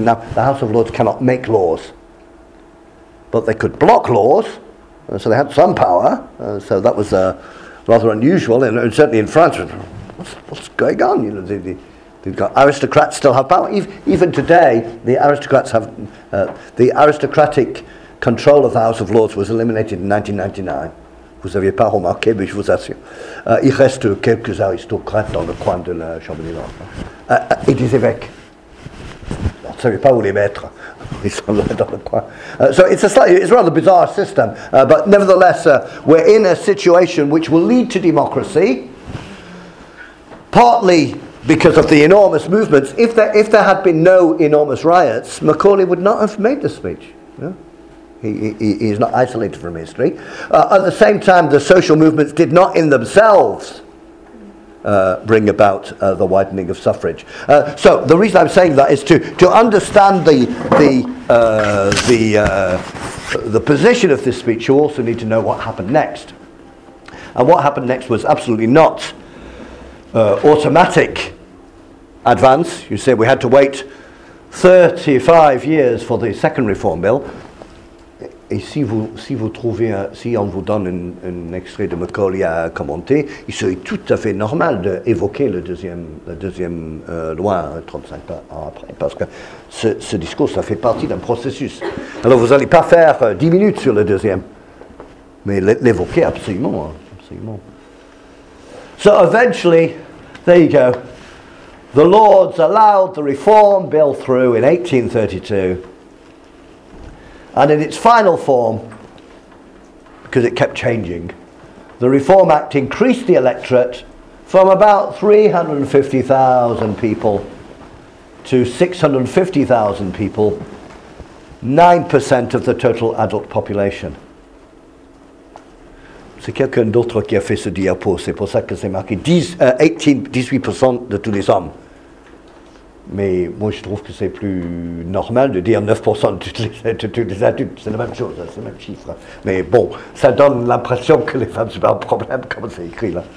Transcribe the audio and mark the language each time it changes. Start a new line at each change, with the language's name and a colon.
English: Now, the House of Lords cannot make laws, but they could block laws, so they had some power. So that was rather unusual, and certainly in France, what's going on? You know, you've got aristocrats still have power. Even today, the aristocrats have the aristocratic control of the House of Lords was eliminated in 1999.
French: Vous aviez pas remarqué, mais je vous assure. Il reste quelques aristocrates dans le coin de la chambre des lords. Et des évêques. Vous ne savez pas où les mettre. Ils sont là dans le coin.
English: So it's a rather bizarre system, but nevertheless, we're in a situation which will lead to democracy. Partly because of the enormous movements. If there had been no enormous riots, Macaulay would not have made the speech. Yeah? He is not isolated from history. At the same time, the social movements did not in themselves bring about the widening of suffrage. So the reason I'm saying that is to understand the position of this speech, you also need to know what happened next. And what happened next was absolutely not automatic advance. You see, we had to wait 35 years for the second reform bill.
French: Et si vous trouvez si on vous donne un extrait de Macaulay à commenter, il serait tout à fait normal d'évoquer la deuxième loi 35 ans après, parce que ce discours, ça fait partie d'un processus. Alors vous n'allez pas faire 10 minutes sur le deuxième, mais l'évoquer absolument, absolument.
English: So eventually, there you go. The Lords allowed the Reform Bill through in 1832, and in its final form, because it kept changing, the Reform Act increased the electorate from about 350,000 people to 650,000 people, 9% of the total adult population.
French: C'est quelqu'un d'autre qui a fait ce diapo, c'est pour ça que c'est marqué 18% de tous les hommes. Mais moi, je trouve que c'est plus normal de dire 9% de tous les adultes. C'est la même chose, c'est le même chiffre. Mais bon, ça donne l'impression que les femmes ont un problème, comme c'est écrit là.